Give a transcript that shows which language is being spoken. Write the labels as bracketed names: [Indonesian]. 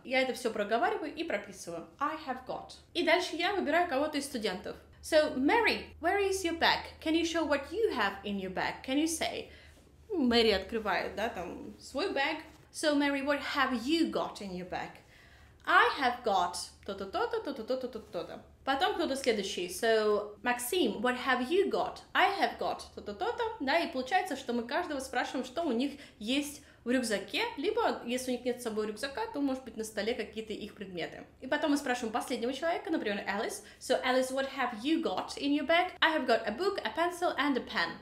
[Russian] Я это все проговариваю и прописываю. [English] I have got. [Russian] И дальше я выбираю кого-то из студентов. [English] So, Mary, where is your bag? Can you show what you have in your bag? Can you say? [Russian] Mary открывает, да, там, свой bag. [English] So, Mary, what have you got in your bag? I have got [Russian] то-то-то-то-то-то-то-то-то-то. Потом кто-то следующий. [English] So, Maxim, what have you got? I have got то-то-то-то. [Russian] Да, и получается, что мы каждого спрашиваем, что у них есть в рюкзаке. Либо, если у них нет с собой рюкзака, то, может быть, на столе какие-то их предметы. И потом мы спрашиваем последнего человека, например, Alice. [English] So, Alice, what have you got in your bag? I have got a book, a pencil and a pen.